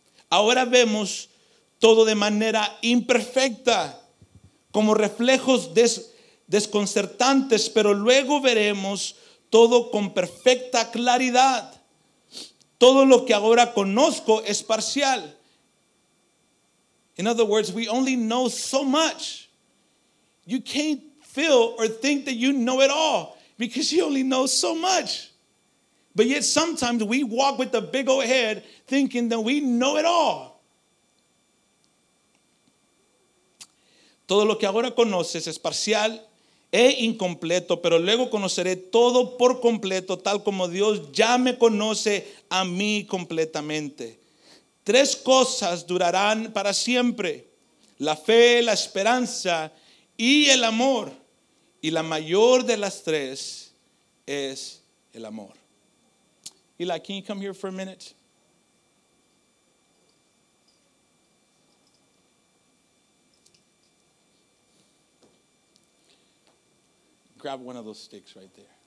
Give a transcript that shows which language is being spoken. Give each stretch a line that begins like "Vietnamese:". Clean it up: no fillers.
Spanish: Ahora vemos todo de manera imperfecta, como reflejos desconcertantes, pero luego veremos todo con perfecta claridad. Todo lo que ahora conozco es parcial.
English: In other words, we only know so much. You can't feel or think that you know it all because you only know so much. But yet sometimes we walk with a big old head thinking that we know it all.
Spanish: Todo lo que ahora conoces es parcial e incompleto, pero luego conoceré todo por completo, tal como Dios ya me conoce a mí completamente. 3 cosas durarán para siempre: la fe, la esperanza y el amor. Y la mayor de las 3 es el amor.
English: Eli, can you come here for a minute? Grab one of those sticks right there.